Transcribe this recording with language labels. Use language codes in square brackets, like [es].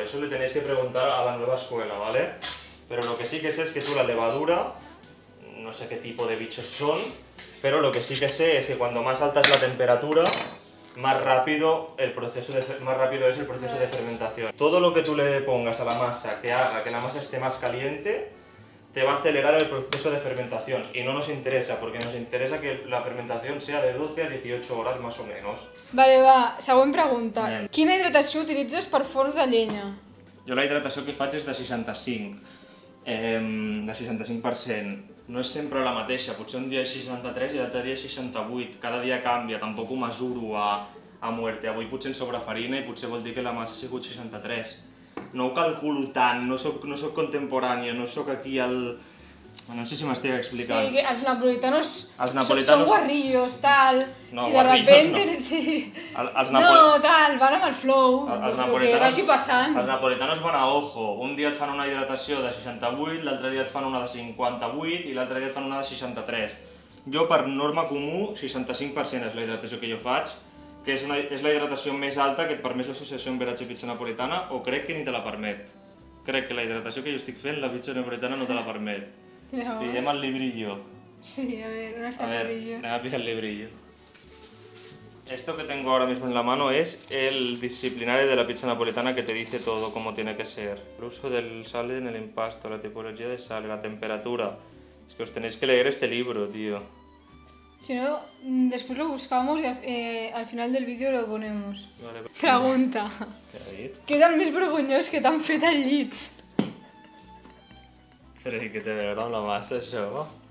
[es] Eso le tenéis que preguntar a la nueva escuela, ¿vale? Pero lo que sí que sé es que tú la levadura, no sé qué tipo de bichos son, pero lo que sí que sé es que cuando más alta es la temperatura, más rápido es el proceso de fermentación. Todo lo que tú le pongas a la masa que haga que la masa esté más caliente, te va a acelerar el proceso de fermentación. Y no nos interesa, porque nos interesa que la fermentación sea de 12 a 18 horas más o menos. [ca] Vale, va, següent pregunta. [es] Bien. [ca] Quina hidratació utilitzes per forn de llenya? Jo la hidratació que faig és de 65. De 65%. No és sempre la mateixa, potser un dia és 63 i l'altre dia és 68. Cada dia canvia, tampoc ho mesuro [es] a muerte. [ca] Avui potser en sobra farina i potser vol dir que la massa ha sigut 63. No ho calculo tant, no sóc contemporània, no sóc aquí [es] No sé si me estoy explicando. Sí, que los napolitanos, son guarrillos, tal. No, si de repente... No, sí. tal, [ca] van amb el flow, el que vagi passant. Els napolitanos [es] van a ojo. [ca] Un dia et fan una hidratació de 68, l'altre dia et fan una de 58 i l'altre dia et fan una de 63. Jo, per norma comú, 65% és la hidratació que jo faig, que és, és la hidratació més alta que et permet l'associació amb Verace Pizza Napolitana, o crec que ni te la permet. Crec que la hidratació que jo estic fent, la pizza napolitana no te la permet. No. Pillem el librillo. [es] Sí, a ver, ¿dónde está el librillo? [ca] A ver, anem a pillar el librillo. [es] Esto que tengo ahora mismo en la mano es el disciplinario de la pizza napolitana que te dice todo cómo tiene que ser. El uso del sal en el impasto, la tipología de sal, la temperatura... Es que os tenéis que leer este libro, tío. Si no, después lo buscamos y al final del vídeo lo ponemos. Vale. Pregunta. ¿Qué [ca] es el más vergonyós que t'han fet al llit? [es] Pero hay que tener una masa, eso.